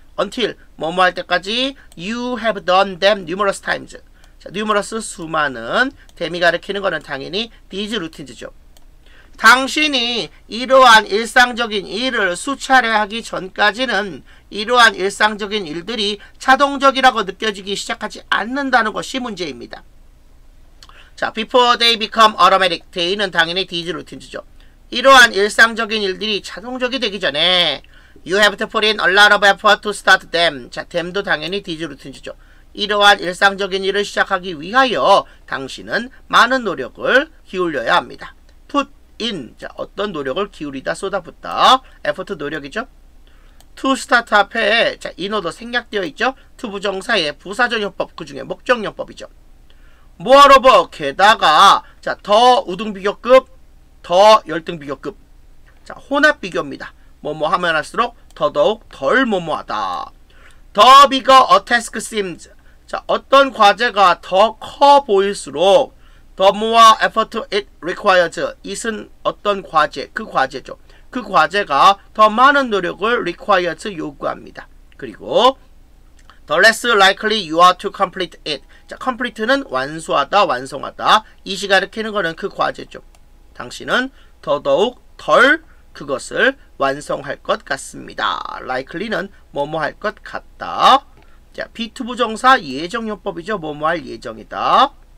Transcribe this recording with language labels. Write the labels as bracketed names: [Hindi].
[English] until, [Korean] 뭐뭐 할 때까지 [English] you have done them numerous times. [Korean] 자, numerous, 수많은, them이 가르치는 거는 당연히 [English] these routines [Korean] 죠. 당신이 이러한 일상적인 일을 수차례 하기 전까지는 이러한 일상적인 일들이 자동적이라고 느껴지기 시작하지 않는다는 것이 문제입니다. [English] 자, before they become automatic, they는 [Korean] 당연히 [English] these routines죠. [Korean] 이러한 일상적인 일들이 자동적이 되기 전에 [English] you have to put in a lot of effort to start them. [Korean] 자, them도 당연히 [English] these routines [Korean] 죠. 이러한 일상적인 일을 시작하기 위하여 당신은 많은 노력을 기울여야 합니다. put in, 자, 어떤 노력을 기울이다, 쏟아붓다. effort, 노력이죠. to start 앞에, 자, 인어도 생략되어 있죠. to 부정사의 부사적용법, 그 중에 목적용법이죠. moreover, 게다가, 자, 더 우등비교급, 더 열등비교급. 자, 혼합비교입니다. 뭐뭐 하면 할수록 더더욱 덜 뭐뭐하다. [English] The bigger a task seems. [Korean] 자, 어떤 과제가 더 커 보일수록 [English] But more effort it requires. [Korean] It은 어떤 과제, 그 과제죠. 그 과제가 더 많은 노력을 requires 요구합니다. 그리고 [English] the less likely you are to complete it. [Korean] 자, complete는 완수하다, 완성하다. 이시 가르키는 거는 그 과제죠. 당신은 더더욱 덜 그것을 완성할 것 같습니다. likely는 뭐뭐 할 것 같다. 자, be-to 부정사 예정요법이죠. 뭐뭐 할 예정이다.